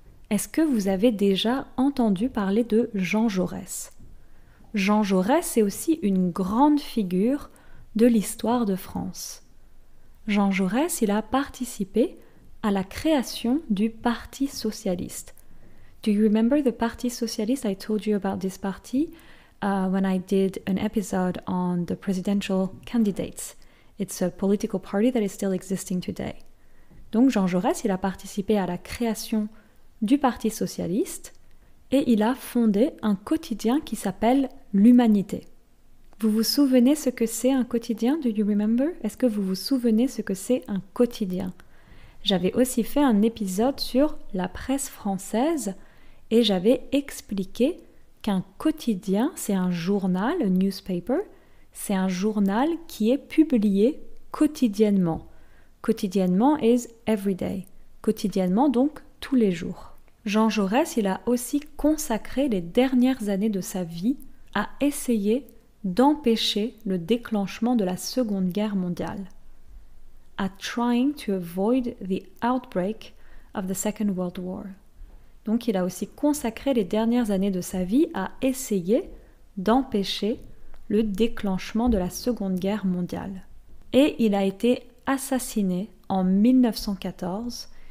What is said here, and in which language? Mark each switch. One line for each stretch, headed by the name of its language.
French: Est-ce que vous avez déjà entendu parler de Jean Jaurès? Jean Jaurès est aussi une grande figure de l'histoire de France. Jean Jaurès, il a participé à la création du Parti Socialiste.
English: Do you remember the Parti Socialiste? I told you about this party when I did an episode on the presidential candidates. It's a political party that is still existing today.
French: Donc Jean Jaurès, il a participé à la création du Parti Socialiste et il a fondé un quotidien qui s'appelle L'Humanité. Vous vous souvenez ce que c'est un quotidien?
English: Do you remember?
French: Est-ce que vous vous souvenez ce que c'est un quotidien? J'avais aussi fait un épisode sur la presse française et j'avais expliqué qu'un quotidien, c'est un journal, un newspaper, c'est un journal qui est publié quotidiennement. Quotidiennement
English: is every day.
French: Quotidiennement, donc, tous les jours. Jean Jaurès, il a aussi consacré les dernières années de sa vie à essayer d'empêcher le déclenchement de la Seconde Guerre mondiale.
English: À trying to avoid the outbreak of the Second World War.
French: Donc, il a aussi consacré les dernières années de sa vie à essayer d'empêcher le déclenchement de la Seconde Guerre mondiale. Et il a été assassiné en 1914,